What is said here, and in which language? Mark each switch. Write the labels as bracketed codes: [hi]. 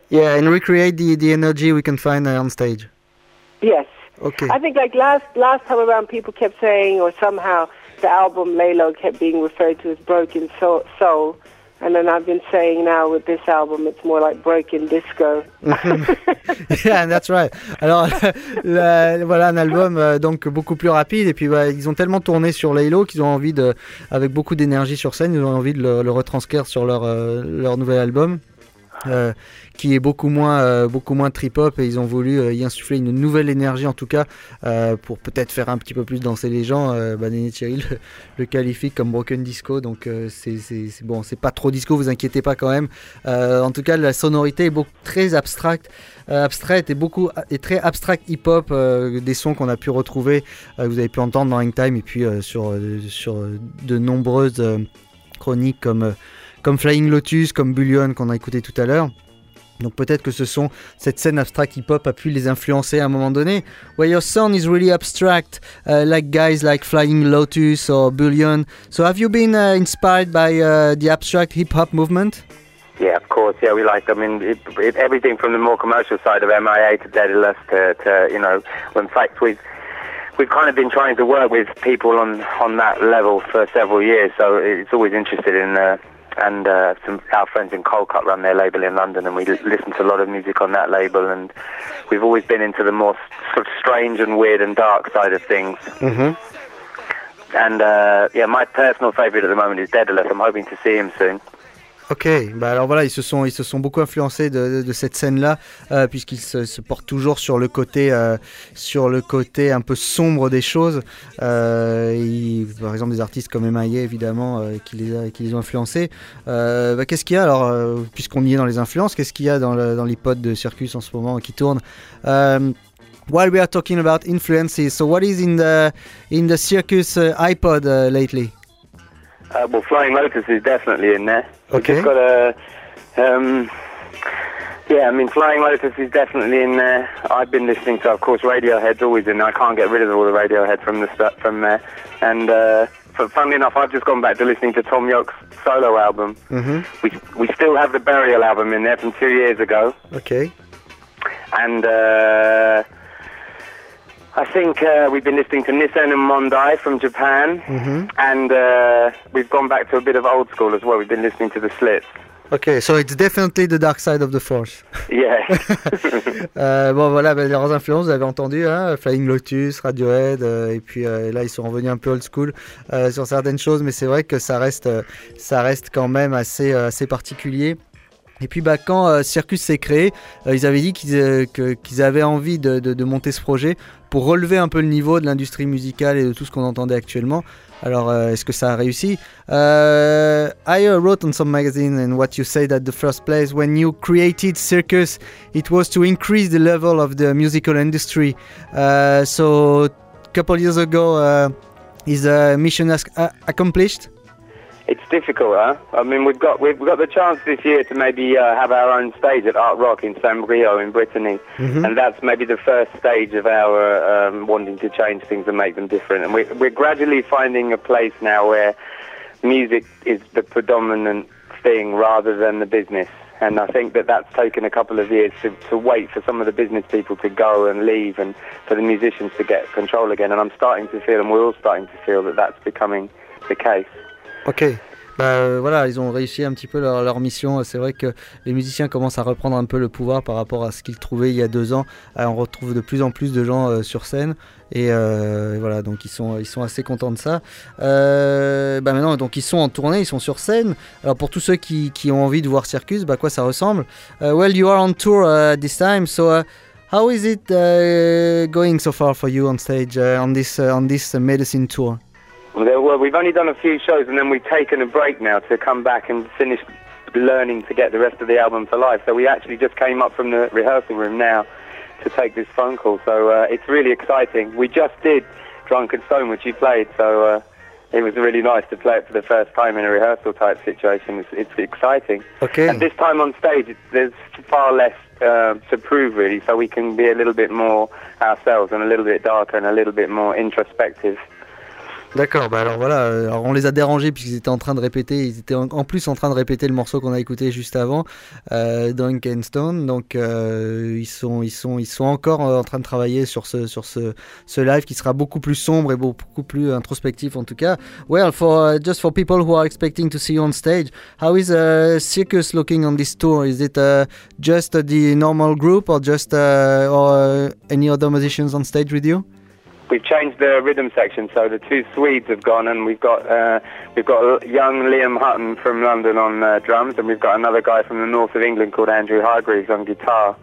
[en] Yeah, and recreate the energy we can find on stage. Yes. Okay. I think like last time around, people kept saying, or somehow the album Lalo kept being referred to as Broken Soul. And then I've been saying now with this album, it's more like Broken Disco. Yeah, that's right. [fr] Alors, voilà un album donc beaucoup plus rapide. Et puis, bah, ils ont tellement tourné sur Lalo qu'ils ont envie de, avec beaucoup d'énergie sur scène, ils ont envie de le retranscrire sur leur nouvel album. Qui est beaucoup moins trip-hop, et ils ont voulu y insuffler une nouvelle énergie en tout cas pour peut-être faire un petit peu plus danser les gens. Nene Thierry le qualifie comme Broken Disco, donc c'est bon, c'est pas trop disco, vous inquiétez pas quand même. En tout cas, la sonorité est très abstracte, et très abstract hip-hop, des sons qu'on a pu retrouver, vous avez pu entendre dans Hang Time, et puis sur de nombreuses chroniques comme Flying Lotus, comme Bullion qu'on a écouté tout à l'heure. Donc peut-être que ce sont cette scène abstract hip-hop a pu les influencer à un moment donné. [en] Where your sound is really abstract, like guys like Flying Lotus or Bullion. So have you been inspired by the abstract hip-hop movement? Yeah, of course. Yeah, we like, I mean, everything from the more commercial side of MIA to Daedalus to, you know, in fact, we've kind of been trying to work with people on that level for several years. So it's always interested in... our friends in Colcott run their label in London, and we listen to a lot of music on that label, and we've always been into the more sort of strange and weird and dark side of things. Mm-hmm. And yeah, my personal favourite at the moment is Daedalus. I'm hoping to see him soon. [fr] Ok, bah alors voilà, ils se sont beaucoup influencés de cette scène-là, puisqu'ils se portent toujours sur le côté un peu sombre des choses. Par exemple, des artistes comme M.I.A. évidemment, qui les ont influencés. Bah, qu'est-ce qu'il y a alors, puisqu'on y est dans les influences, qu'est-ce qu'il y a dans l'hip-hop de Circus en ce moment qui tourne? [en] While we are talking about influences, so what is in the Circus iPod lately? Well, Flying Lotus is definitely in there. Okay. We've just got Flying Lotus is definitely in there. I've been listening to, of course, Radiohead's always in there. I can't get rid of all the Radiohead from there. And funnily enough, I've just gone back to listening to Tom York's solo album. Mm-hmm. We still have the Burial album in there from 2 years ago. Okay. And I think we've been listening to Nissen and Mondai from Japan, mm-hmm. and we've gone back to a bit of old school as well. We've been listening to The Slits. Okay, so it's definitely the dark side of the force. Yeah. [fr] bon, voilà, les grandes influences, vous avez entendu, hein, Flying Lotus, Radiohead, et puis là, ils sont revenus un peu old school sur certaines choses, mais c'est vrai que ça reste quand même assez particulier. Et puis bah, quand Circus s'est créé, ils avaient dit qu'ils avaient envie de monter ce projet pour relever un peu le niveau de l'industrie musicale et de tout ce qu'on entendait actuellement. Alors, est-ce que ça a réussi? [en] I wrote on some magazine and what you said at the first place, when you created Circus, it was to increase the level of the musical industry. So, a couple years ago, is the mission accomplished? It's difficult, huh? I mean, we've got the chance this year to maybe have our own stage at Art Rock in San Rio in Brittany. Mm-hmm. And that's maybe the first stage of our wanting to change things and make them different. And we're gradually finding a place now where music is the predominant thing rather than the business. And I think that that's taken a couple of years to wait for some of the business people to go and leave and for the musicians to get control again. And I'm starting to feel, and we're all starting to feel, that that's becoming the case. Okay. [fr] Voilà, ils ont réussi un petit peu leur mission. C'est vrai que les musiciens commencent à reprendre un peu le pouvoir par rapport à ce qu'ils trouvaient il y a deux ans. On retrouve de plus en plus de gens sur scène. Et voilà, donc ils sont assez contents de ça. Maintenant, donc ils sont en tournée, ils sont sur scène. Alors pour tous ceux qui ont envie de voir Circus, bah, quoi ça ressemble? [en] Well, you are on tour this time, so how is it going so far for you on stage on this medicine tour? Well, we've only done a few shows and then we've taken a break now to come back and finish learning to get the rest of the album for live. So we actually just came up from the rehearsal room now to take this phone call. So it's really exciting. We just did Drunk and Stone, which you played. So it was really nice to play it for the first time in a rehearsal type situation. It's exciting. Okay. And this time on stage, there's far less to prove, really. So we can be a little bit more ourselves and a little bit darker and a little bit more introspective. [fr] D'accord, bah alors voilà, alors on les a dérangés puisqu'ils étaient en train de répéter, ils étaient en plus en train de répéter le morceau qu'on a écouté juste avant, Drunk and Stone, donc ils sont encore en train de travailler sur ce live qui sera beaucoup plus sombre et beaucoup plus introspectif en tout cas. [en] Well, for people who are expecting to see you on stage, how is Circus looking on this tour? Is it just the normal group or just any other musicians on stage with you? We've changed the rhythm section, so the two Swedes have gone, and we've got young Liam Hutton from London on drums, and we've got another guy from the north of England called Andrew Hargreaves on guitar.